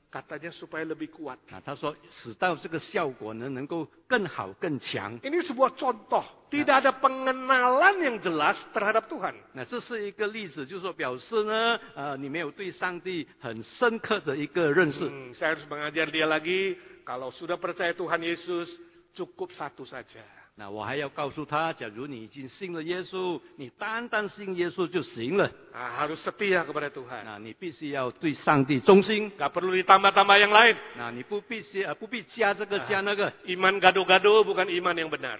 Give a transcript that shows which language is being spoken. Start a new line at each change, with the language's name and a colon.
Indonesian: Katanya supaya lebih kuat。
Chinese: 啊，他说使到这个效果呢，能够更好更强。
Indonesian: Ini sebuah contoh, tidak ada pengenalan yang jelas terhadap Tuhan。
Chinese: 那这是一个例子，就是说表示呢，你没有对上帝很深刻的一个认识。
Indonesian: Saya harus mengajar dia lagi, kalau sudah percaya Tuhan Yesus, cukup satu saja。
Chinese: 那我还要告诉他，假如你已经信了耶稣，你单单信耶稣就行了。
Indonesian: 啊 ，harus setia kepada Tuhan。
Chinese: 那你必须要对上帝忠心。
Indonesian: Gak perlu ditambah-tambah yang lain。
Chinese: 那你不必加这个加那个。
Indonesian: Iman gado-gado bukan iman yang benar。